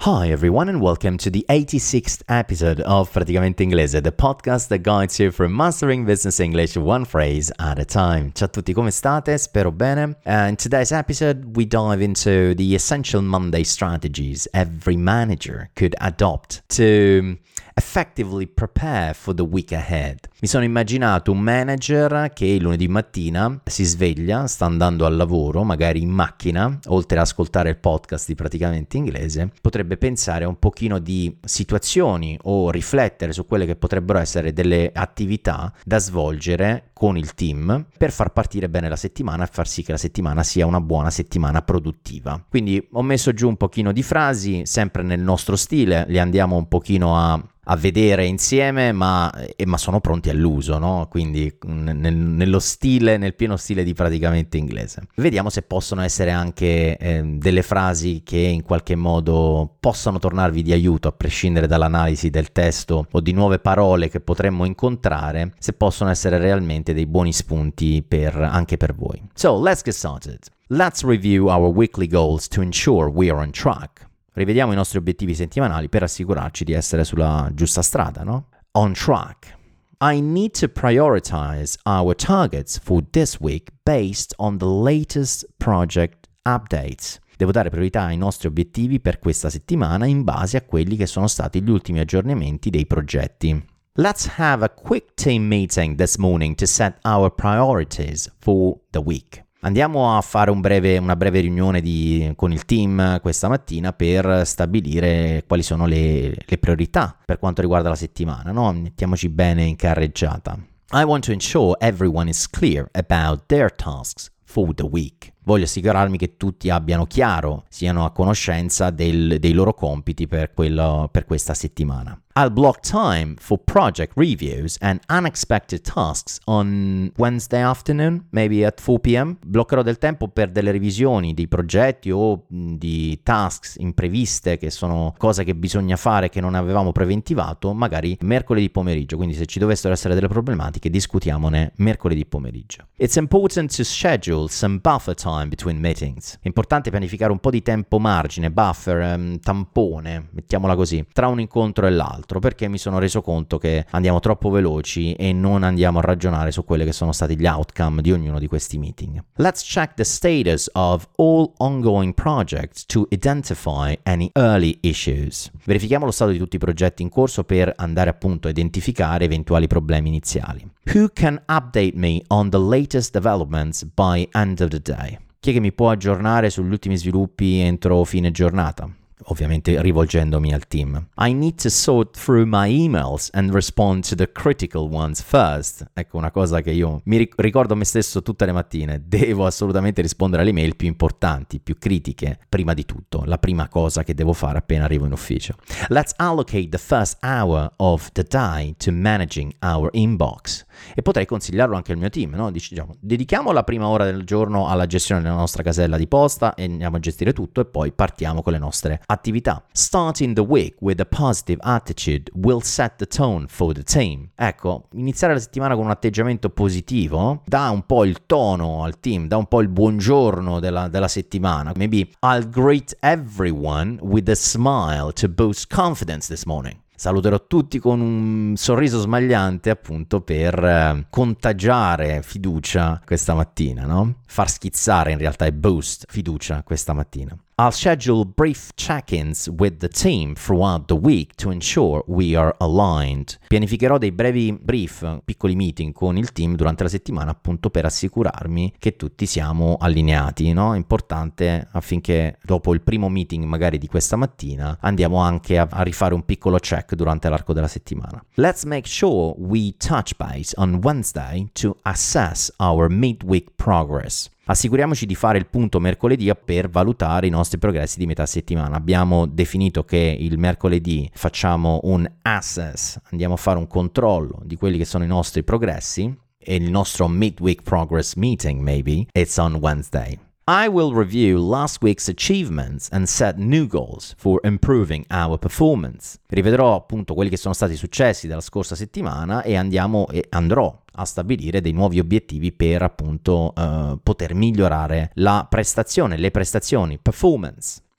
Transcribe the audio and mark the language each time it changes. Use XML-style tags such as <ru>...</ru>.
<en>Hi everyone and welcome to the 86th episode of Praticamente Inglese, the podcast that guides you from mastering business English one phrase at a time.</en> <it>Ciao a tutti, come state? Spero bene.</it> <en>In today's episode, we dive into the essential Monday strategies every manager could adopt to effectively prepare for the week ahead.</en> <it>Mi sono immaginato un manager che il lunedì mattina si sveglia, sta andando al lavoro, magari in macchina, oltre ad ascoltare il podcast di Praticamente Inglese, potrebbe pensare un pochino di situazioni o riflettere su quelle che potrebbero essere delle attività da svolgere con il team per far partire bene la settimana e far sì che la settimana sia una buona settimana produttiva. Quindi ho messo giù un pochino di frasi, sempre nel nostro stile, le andiamo un pochino a vedere insieme, ma sono pronti all'uso, no? Quindi nel pieno stile di Praticamente Inglese. Vediamo se possono essere anche delle frasi che in qualche modo possano tornarvi di aiuto, a prescindere dall'analisi del testo o di nuove parole che potremmo incontrare, se possono essere realmente dei buoni spunti anche per voi.</it> <en>So, let's get started. Let's review our weekly goals to ensure we are on track.</en> <it>Rivediamo i nostri obiettivi settimanali per assicurarci di essere sulla giusta strada, no?</it> <en>On track. I need to prioritize our targets for this week based on the latest project updates.</en> <it>Devo dare priorità ai nostri obiettivi per questa settimana in base a quelli che sono stati gli ultimi aggiornamenti dei progetti.</it> <en>Let's have a quick team meeting this morning to set our priorities for the week.</en> <it>Andiamo a fare una breve riunione con il team questa mattina per stabilire quali sono le priorità per quanto riguarda la settimana, no? Mettiamoci bene in carreggiata.</it> <en>I want to ensure everyone is clear about their tasks for the week.</en> <it>Voglio assicurarmi che tutti abbiano chiaro, siano a conoscenza dei loro compiti per questa settimana.</it> <en>I'll block time for project reviews and unexpected tasks on Wednesday afternoon, maybe at 4 p.m.</en> <it>Bloccherò del tempo per delle revisioni di progetti o di tasks impreviste, che sono cose che bisogna fare che non avevamo preventivato, magari mercoledì pomeriggio. Quindi se ci dovessero essere delle problematiche, discutiamone mercoledì pomeriggio.</it> <en>It's important to schedule some buffer time between meetings.</en> <it>È importante pianificare un po' di tempo margine, buffer, tampone, mettiamola così, tra un incontro e l'altro. Perché mi sono reso conto che andiamo troppo veloci e non andiamo a ragionare su quelle che sono stati gli outcome di ognuno di questi meeting.</it> <en>Let's check the status of all ongoing projects to identify any early issues.</en> <it>Verifichiamo lo stato di tutti i progetti in corso per andare appunto a identificare eventuali problemi iniziali.</it> <en>Who can update me on the latest developments by end of the day?</en> <it>Chi è che mi può aggiornare sugli ultimi sviluppi entro fine giornata? Ovviamente rivolgendomi al team.</it> <en>I need to sort through my emails and respond to the critical ones first.</en> <it>Ecco una cosa che io mi ricordo a me stesso tutte le mattine. Devo assolutamente rispondere alle email più importanti, più critiche, prima di tutto. La prima cosa che devo fare appena arrivo in ufficio.</it> <en>Let's allocate the first hour of the day to managing our inbox.</en> <it>E potrei consigliarlo anche al mio team, no? Diciamo, dedichiamo la prima ora del giorno alla gestione della nostra casella di posta e andiamo a gestire tutto e poi partiamo con le nostre attività.</it> <en>Starting the week with a positive attitude will set the tone for the team.</en> <it>Ecco, iniziare la settimana con un atteggiamento positivo dà un po' il tono al team, dà un po' il buongiorno della settimana.</it> <en>Maybe I'll greet everyone with a smile to boost confidence this morning.</en> <it>Saluterò tutti con un sorriso smagliante, appunto, per contagiare fiducia questa mattina, no? Far schizzare, in realtà, e boost fiducia questa mattina.</it> <en>I'll schedule brief check-ins with the team throughout the week to ensure we are aligned.</en> <it>Pianificherò dei brevi brief, piccoli meeting con il team durante la settimana, appunto, per assicurarmi che tutti siamo allineati, no? È importante affinché dopo il primo meeting, magari di questa mattina, andiamo anche a rifare un piccolo check durante l'arco della settimana.</it> <en>Let's make sure we touch base on Wednesday to assess our midweek progress.</en> <it>Assicuriamoci di fare il punto mercoledì per valutare i nostri progressi di metà settimana. Abbiamo definito che il mercoledì facciamo un assess, andiamo a fare un controllo di quelli che sono i nostri progressi, e il nostro midweek progress meeting,</it> <en>maybe, it's on Wednesday. I will review last week's achievements and set new goals for improving our performance.</en> <it>Rivedrò appunto quelli che sono stati i successi della scorsa settimana e andrò a stabilire dei nuovi obiettivi per appunto poter migliorare le prestazioni, performance.</it>